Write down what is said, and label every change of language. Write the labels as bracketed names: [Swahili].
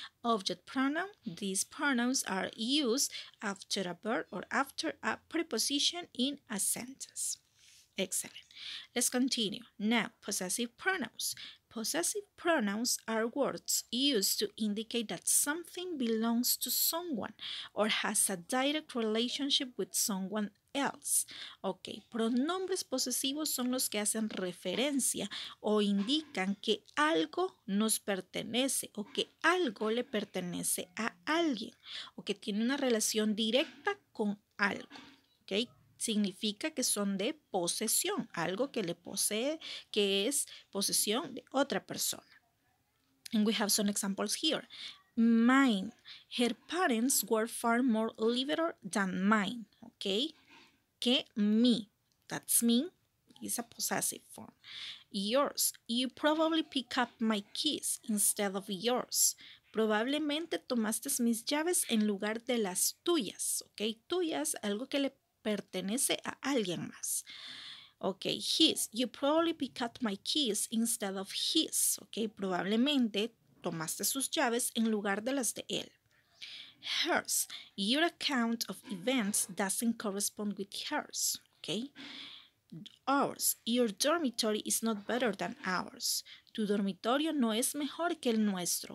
[English] Object pronoun, these pronouns are used after a verb or after a preposition in a sentence. Excellent. Let's continue. Now, possessive pronouns. Possessive pronouns are words used to indicate that something belongs to someone or has a direct relationship with someone else. [Spanish] Okay, pronombres posesivos son los que hacen referencia o indican que algo nos pertenece o que algo le pertenece a alguien o que tiene una relación directa con algo. Okay, significa que son de posesión, algo que le posee, que es posesión de otra persona. [English] And we have some examples here. Mine. Her parents were far more liberal than mine. Okay? Que me. That's me. It's a possessive form. Yours. You probably pick up my keys instead of yours. [Spanish] Probablemente tomaste mis llaves en lugar de las tuyas. Okay? Tuyas, algo que le pertenece a alguien más. [English] Okay, his. You probably pick up my keys instead of his. [Spanish] Okay, probablemente tomaste sus llaves en lugar de las de él. [English] Hers. Your account of events doesn't correspond with hers. Okay. Ours. Your dormitory is not better than ours. [Spanish] Tu dormitorio no es mejor que el nuestro.